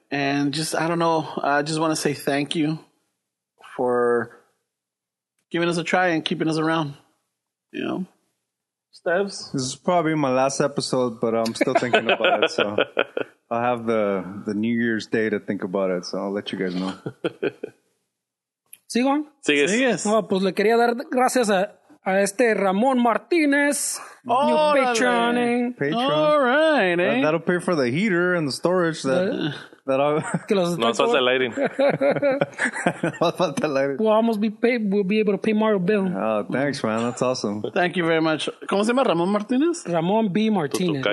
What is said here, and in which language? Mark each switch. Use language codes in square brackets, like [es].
[en] And just, I don't know, I just want to say thank you for giving us a try and keeping us around, you know. Steves? This is probably my last episode, but I'm still thinking about it, so I'll have the New Year's Day to think about it, so I'll let you guys know. [es] ¿Sigo? ¿Sigues? ¿Sigues? Oh, pues le quería dar gracias a este Ramón Martínez. [en] Oh, new Patreon. All right, eh? That'll pay for the heater and the storage that I'll... [es] No falta el aire. [en] We'll almost be paid. We'll be able to pay Mario Bill. Oh, thanks, man. That's awesome. Thank you very much. [es] ¿Cómo se llama [en] Ramón Martínez? Ramón B. Martínez.